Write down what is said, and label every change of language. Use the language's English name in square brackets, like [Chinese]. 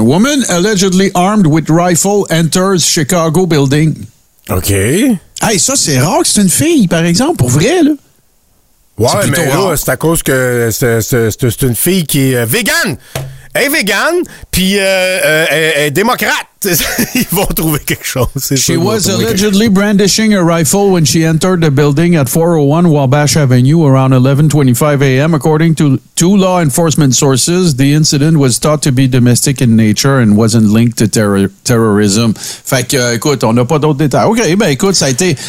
[English] Woman allegedly armed with rifle enters Chicago building. OK. [French] Hey, ça, c'est rare que c'est une fille, par exemple, pour vrai, là. Ouais, c'est mais là, c'est à cause que c'est une fille qui est végane. Elle est végane, puis elle est démocrate. Ils vont trouver quelque chose. C'est [English] she was allegedly brandishing a rifle when she entered the building at 401 Wabash Avenue around 11:25 a.m. According to two law enforcement sources, the incident was thought to be domestic in nature and wasn't linked to terrorism. [French] Fait que, écoute, on n'a pas d'autres détails. OK, ben écoute, ça a été...